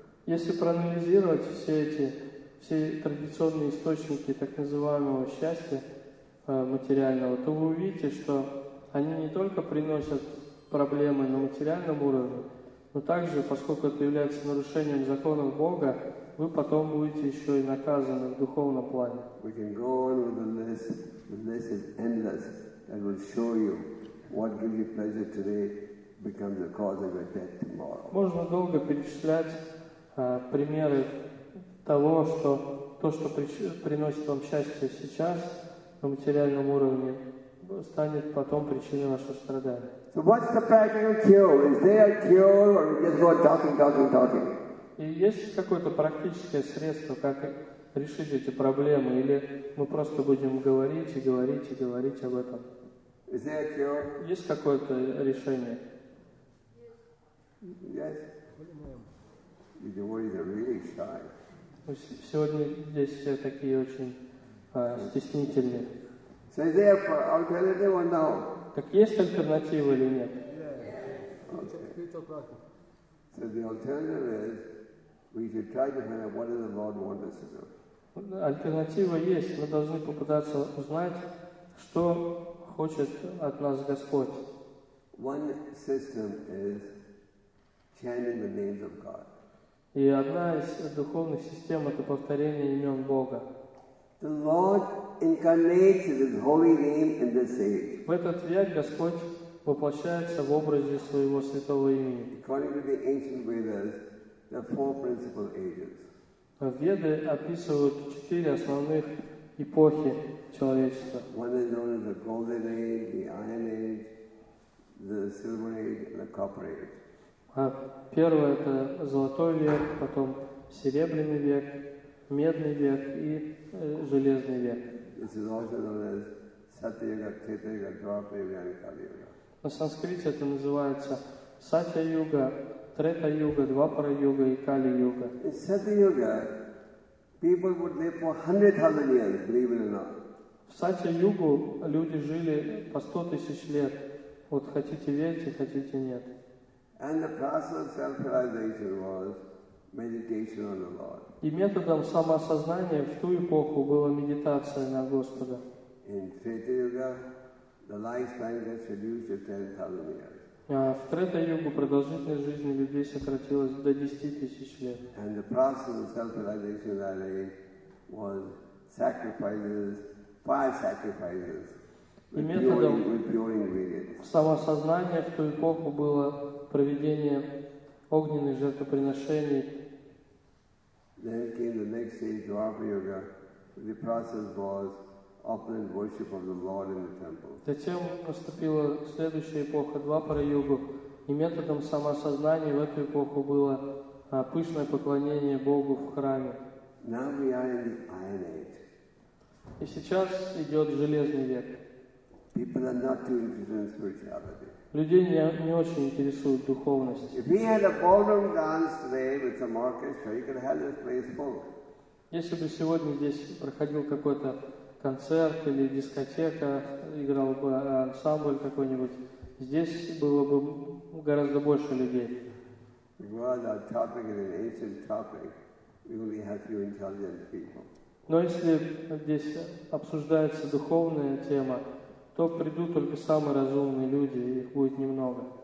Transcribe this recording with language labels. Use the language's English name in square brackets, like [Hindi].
[Russian] Если проанализировать все традиционные источники так называемого счастья материального, то вы увидите, что они не только приносят проблемы на материальном уровне, но также, поскольку это является нарушением законов Бога, вы потом будете еще и наказаны в духовном плане. [English] We can go on with the list. The list is endless. It will show you what gives you pleasure today becomes the cause of your death tomorrow. [Russian] Можно долго перечислять примеры того, что то, что приносит вам счастье сейчас на материальном уровне, станет потом причиной вашего страдания. [English] So what's the practical cure? Is there a cure, or just go talking? [Russian] И есть какое-то практическое средство, как решить эти проблемы, или мы просто будем говорить и говорить и говорить об этом? [English] Is there a cure? [Russian] Есть какое-то решение? [English] Yes. Yes. The devotees are really shy. [Russian] Сегодня здесь все такие очень стеснительные. [English] So is there an alternative or no? [Russian] Так есть альтернатива или нет? [English] Yes. Okay. So the alternative is we should try to find out what the Lord wants us to do. [Russian] Альтернатива есть. Мы должны попытаться узнать, что хочет от нас Господь. [English] One system is chanting the names of God. [Russian] И одна из духовных систем — это повторение имен Бога. [English] The Lord incarnates His holy name in this age. [Russian] В этот век Господь воплощается в образе своего святого имени. [English] According to the ancient Vedas, there are four principal ages. [Russian] Веды описывают четыре основных эпохи человечества. [English] One is known as the Golden Age, the Iron Age, the Silver Age, and the Copper Age. [Russian] Первое это Золотой век, потом Серебряный век, Медный век и Железный век. [English] This is also known as Satyayuga, Tetrayuga, Dwapara, and Kaliyuga. [Russian] На санскрите это называется Сатья-юга, Трета-юга, Двапара-юга и Кали-юга. [English] In Satyayuga, people would live for 100,000 years, believe it or not. [Russian] В Сатья-югу люди жили по 100 тысяч лет. Вот хотите верьте, хотите нет. [English] And the process of self-realization was meditation on the Lord. [Russian] И методом самоосознания в ту эпоху была медитация на Господа. [English] In Treta-yuga, the lifespan gets reduced to 10,000 years. [Russian] В Трета-югу продолжительность жизни людей сократилась до 10 тысяч лет. [English] And the process of self-realization that day was sacrifices, five sacrifices. [Russian] И методом самоосознания в ту эпоху было проведение огненных жертвоприношений. [English] Then came the next stage, Dwapara Yuga. The process was offering worship of the Lord in the temple. [Russian] Затем наступила следующая эпоха Двапара Юга, и методом самоосознания в эту эпоху было пышное поклонение Богу в храме. [English] Now we are in the Iron Age. [Russian] И сейчас идет Железный век. [English] People are not too interested in spirituality. [Russian] Людей не очень интересует духовность. [English] If we had a ballroom dance today with some orchestra, you could have this place full. [Russian] Если бы сегодня здесь проходил какой-то концерт или дискотека, играл бы ансамбль какой-нибудь, здесь было бы гораздо больше людей. [English] Because our topic is an ancient topic, we only have few intelligent people. [Russian] Но если здесь обсуждается духовная тема, то придут только самые разумные люди, и их будет немного.